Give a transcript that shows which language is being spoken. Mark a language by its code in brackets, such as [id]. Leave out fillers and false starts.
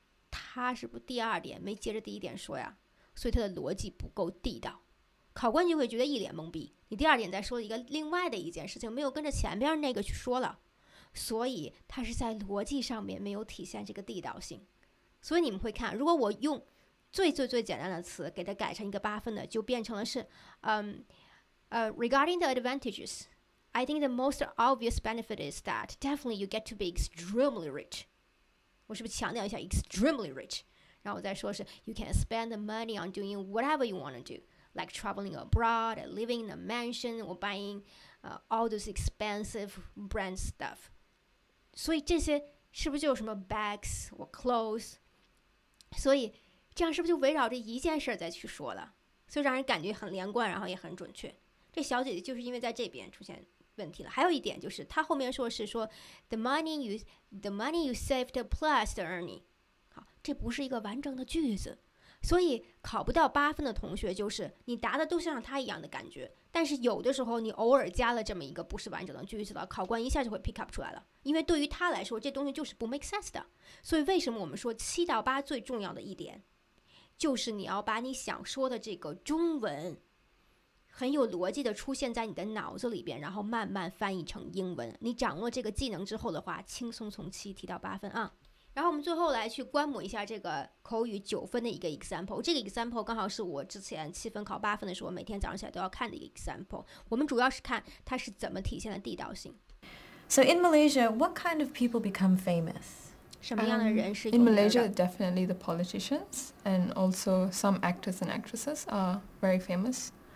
[zh] 他是不是第二点没接着第一点说呀？所以他的逻辑不够地道，考官就会觉得一脸懵逼，你第二点再说了一个另外的一件事情，没有跟着前边那个去说了，所以他是在逻辑上面没有体现这个地道性。所以你们会看，如果我用最最最简单的词给它改成一个八分的，就变成了是 [en] regarding the advantages, I think the most obvious benefit is that definitely you get to be extremely rich. [zh] 我是不是强调一下 [en] extremely rich? [zh] 然后我再说是 [en] you can spend the money on doing whatever you want to do, like traveling abroad, living in a mansion, or buying all those expensive brand stuff. [zh] 所以这些是不是就有什么 [en] bags or clothes? [zh] 所以这样是不是就围绕着一件事再去说了，所以让人感觉很连贯，然后也很准确。这小姐姐就是因为在这边出现问题了。还有一点就是她后面说是说 [en] the money you saved plus the earning, [zh] 好，这不是一个完整的句子，所以考不到八分的同学就是你答的都像她一样的感觉，但是有的时候你偶尔加了这么一个不是完整的句子了，考官一下就会 pick up 出来了，因为对于她来说这东西就是不 [en] make sense [zh] 的。所以为什么我们说七到八最重要的一点就是你要把你想说的这个中文很有逻辑的出现在你的脑子里边，然后慢慢翻译成英文。你掌握这个技能之后的话，轻松从七提到八分啊。然后我们最后来去观摩一下这个口语九分的一个 example。这个 example 刚好是我之前七分考八分的时候每天早上起来都要看的一个 example。我们主要是看它是怎么体现的地道性。 [en] So in Malaysia, what kind of people become famous? In Malaysia, definitely the politicians and also some actors and actresses are very famous.